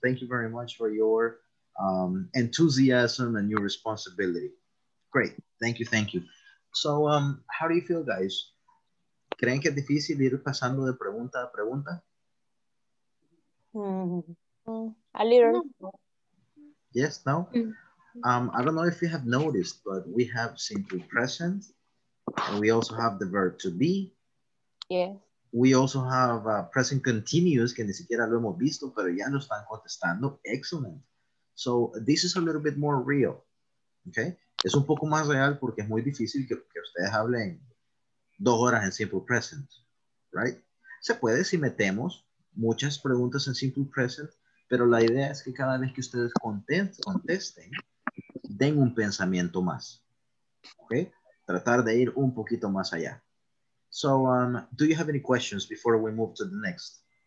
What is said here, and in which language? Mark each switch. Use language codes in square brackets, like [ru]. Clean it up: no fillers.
[en] Thank you very much for your enthusiasm and your responsibility. Great. Thank you. Thank you. So, how do you feel, guys? [es] ¿Creen que es difícil ir pasando de pregunta a pregunta? [en] A little. Yes, no? I don't know if you have noticed, but we have simple present. And we also have the verb to be. Yes. We also have present continuous, [es] que ni siquiera lo hemos visto, pero ya lo están contestando. Excellent. [en] So this is a little bit more real. Okay? [es] Es un poco más real porque es muy difícil que ustedes hablen 2 horas en simple present, right? Se puede si metemos muchas preguntas en simple present, pero la idea es que cada vez que ustedes contesten, den un pensamiento más, okay? Tratar de ir un poquito más allá. [en] So, do you have any questions before we move to the next?